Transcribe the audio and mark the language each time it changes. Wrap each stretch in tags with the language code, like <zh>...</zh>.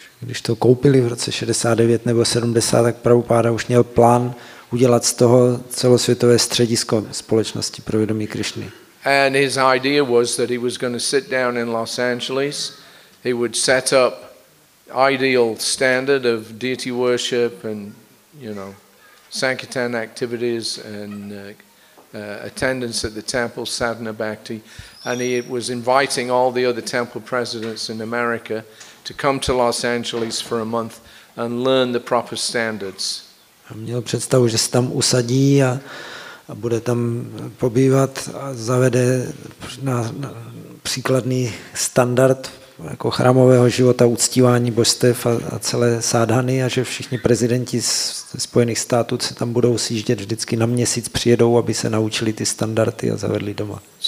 <cs>Když to koupili v roce 69 nebo 70, tak Prabhupada už měl plán udělat z toho celosvětové středisko společnosti pro vědomí Krišny.</cs> <en>And his idea was that he was going to sit down in Los Angeles. He would set up ideal standard of deity worship and, you know, Sankirtan activities and attendance at the temple, sadhana bhakti, and he was inviting all the other temple presidents in America to come to Los Angeles for a month and learn the proper standards.</en> <cs>A měl představu, že se tam usadí a bude tam pobývat a zavede na příkladný standard jako chrámového života, uctívání božstev a celé sádhany a že všichni prezidenti ze Spojených států se tam budou sjíždět vždycky na měsíc, přijedou, aby se naučili ty standardy a zavedli doma.</cs>